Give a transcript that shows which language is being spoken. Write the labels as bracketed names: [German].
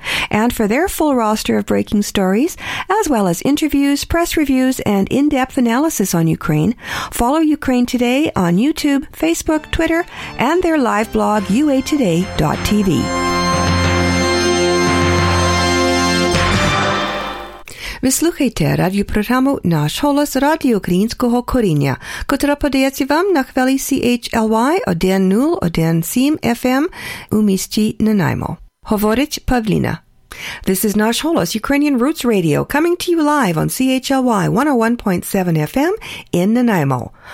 [English] And for their full roster of breaking stories, as well as interviews, press reviews, and in-depth analysis on Ukraine, follow Ukraine Today on YouTube, Facebook, Twitter, and their live blog, uatoday.tv. [Ukrainian] Ви слухайте радіопрограму «Наш голос» радіо українського коріння, котра подається вам на хвилі CHLY 101.7 FM у місті Нанаймо. Говорить Павлина. [English] This is Nash Holos Ukrainian Roots Radio coming to you live on CHLY 101.7 FM in Nanaimo.